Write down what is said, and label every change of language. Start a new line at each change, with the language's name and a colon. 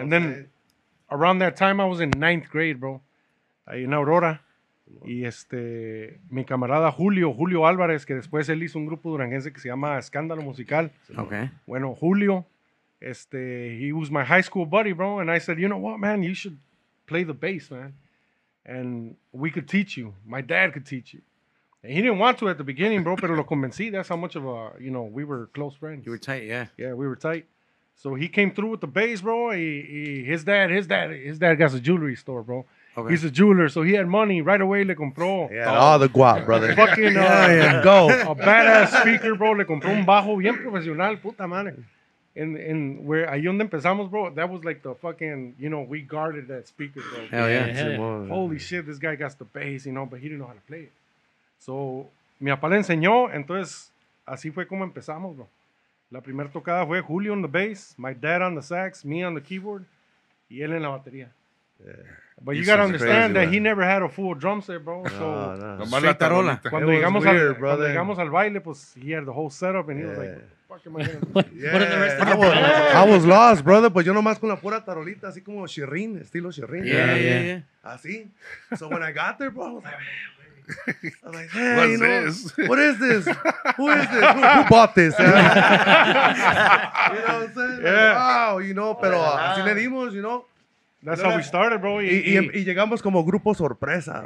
English: And then around that time I was in ninth grade, bro.
Spanish: Ahí en Aurora. Y mi camarada Julio Álvarez, que después él hizo un grupo duranguense que se llama Escándalo Musical.
English: Okay. Bueno, Julio, he was my high school buddy, bro. And I said, you know what, man, you should play the bass, man. And we could teach you. My dad could teach you. And he didn't want to at the beginning, bro,
Spanish: pero lo convencí.
English: That's how much of a, you know, we were close friends. You were tight, yeah. Yeah, we were tight. So he came through with the bass, bro. His dad got a jewelry store, bro. Okay. He's a jeweler, so he had money.
Spanish: Right away, le compró.
English: Yeah, all the guap, brother. Fucking, go. A badass speaker, bro.
Spanish: Le compró un bajo bien profesional, puta madre.
English: And where
Spanish: ahí donde empezamos,
English: bro, that was like the fucking, you know, we guarded that speaker, bro. Hell yeah. Holy shit, this guy got the bass, you know, but he didn't know how to play it.
Spanish: So, mi papá le enseñó, entonces, así fue como empezamos, bro. La primera tocada fue
English: Julio on the bass, my dad on the sax, me on the keyboard,
Spanish: y él en la batería.
English: Yeah. But you gotta understand crazy, that man. He never had a full drum set, bro. So,
Spanish: la tarola. Cuando llegamos, cuando llegamos al baile, pues,
English: he had the whole setup, and he was like, I was lost, brother.
Spanish: Pues yo nomás con la pura tarolita, así como Shirin, estilo Shirin.
English: Yeah.
Spanish: Así.
English: So when I got there, bro, I was like, hey, what's, you know, this? What is this? Who is this? Who bought this? You know what I'm saying? Yeah. Wow, you know,
Spanish: pero así le dimos,
English: you know. That's how we started, bro.
Spanish: Y llegamos como grupo sorpresa.